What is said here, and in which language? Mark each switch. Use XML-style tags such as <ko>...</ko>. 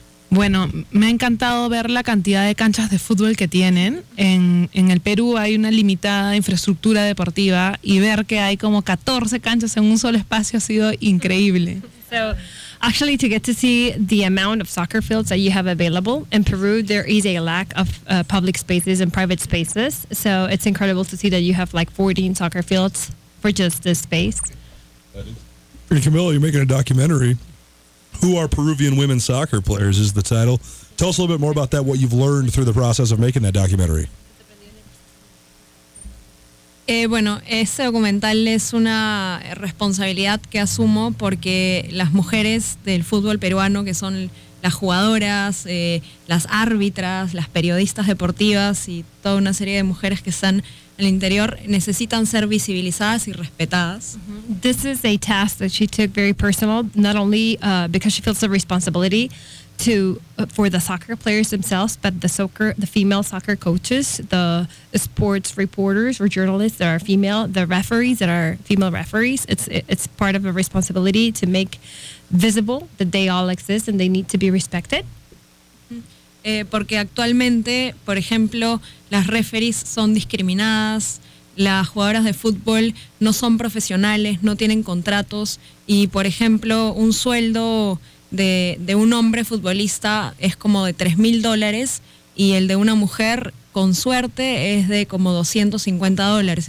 <es>Bueno, me ha encantado ver la cantidad de canchas de fútbol que tienen. En el Perú hay una limitada infraestructura deportiva y ver que hay como 14 canchas en un solo espacio ha sido increíble.</es> <en>So, actually, to get to see the amount of soccer fields that you have available, in Peru there is a lack of public spaces and private spaces. So it's incredible to see that you have like 14 soccer fields for just this space. Hey, Camilla, you're making a documentary. Who Are Peruvian Women Soccer Players is the title. Tell us a little bit more about that, what you've learned through the process of making that documentary.</en> <es>Bueno, ese documental es una responsabilidad que asumo porque las mujeres del fútbol peruano, que son las jugadoras, las árbitras, las periodistas deportivas y toda una serie de mujeres que están en el interior, necesitan ser visibilizadas y respetadas. Mm-hmm.</es> <en>This is a task that she took very personal, not only because she feels the responsibility to for the soccer players themselves, but the female soccer coaches, the sports reporters or journalists that are female, the referees that are female referees. It's part of a responsibility to make visible that they all exist and they need to be respected.</en> <es>Porque actualmente, por ejemplo, las referees son discriminadas, las jugadoras de fútbol no son profesionales, no tienen contratos y, por ejemplo, un sueldo de un hombre futbolista es como de $3,000 y el de una mujer, con suerte, es de como $250.</es>